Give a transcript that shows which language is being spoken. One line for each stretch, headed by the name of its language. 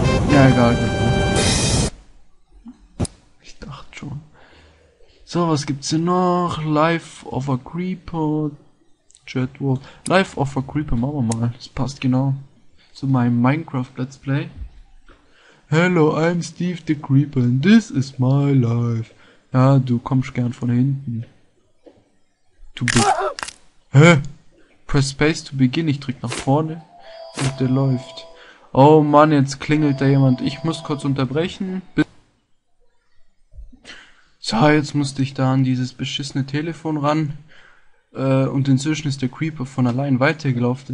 German: Ja, egal. Ich dachte schon. So, was gibt's hier noch? Life of a Creeper. Jedward. Life of a Creeper, machen wir mal. Das passt genau zu meinem Minecraft-Let's Play.
English: Hello, I'm Steve the Creeper and this is my life.
German: Ja, du kommst gern von hinten. Du bist. Hä?
English: Press Space to begin.
German: Ich drück nach vorne. Und der läuft. Oh Mann, jetzt klingelt da jemand. Ich muss kurz unterbrechen. So, jetzt musste ich da an dieses beschissene Telefon ran. Und inzwischen ist der Creeper von allein weitergelaufen.